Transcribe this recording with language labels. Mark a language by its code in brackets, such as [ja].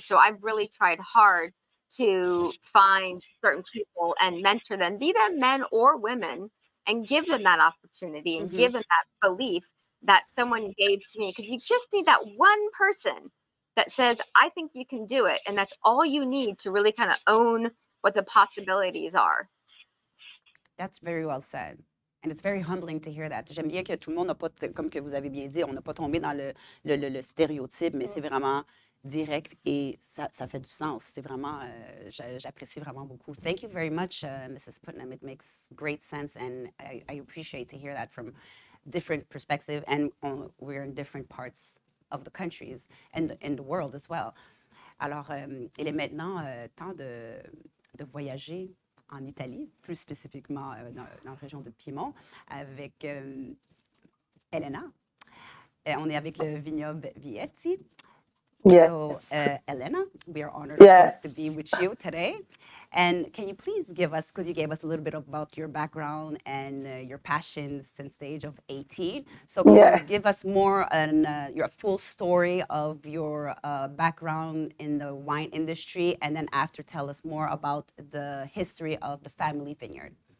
[en] So I've really tried hard to find certain people and mentor them, be them men or women, and give them that opportunity and give them that belief that someone gave to me. Because you just need that one person that says, I think you can do it. And that's all you need to really kind of own what the possibilities are. That's very well said. And it's very humbling to hear that. [fr] J'aime bien que tout le monde n'a pas, comme que vous avez bien dit, on n'a pas tombé dans le stéréotype, mais c'est vraiment direct et ça fait du sens. C'est vraiment, j'apprécie vraiment beaucoup. [en] Thank you very much, [fr] Mrs. Putnam. [en] It makes great sense, and I appreciate to hear that from different perspectives, and we're in different parts of the countries and in the world as well. [fr] Alors, il est maintenant temps de voyager en Italie, plus spécifiquement dans la région de Piémont, avec Elena. On est avec le vignoble Vietti. [en] Yes. So, Elena, we are honored to be with you today. And can you please give us, because you gave us a little bit about your background and your passions since the age of 18. So can you give us more on your full story of your background in the wine industry, and then after tell us more about the history of the family vineyard.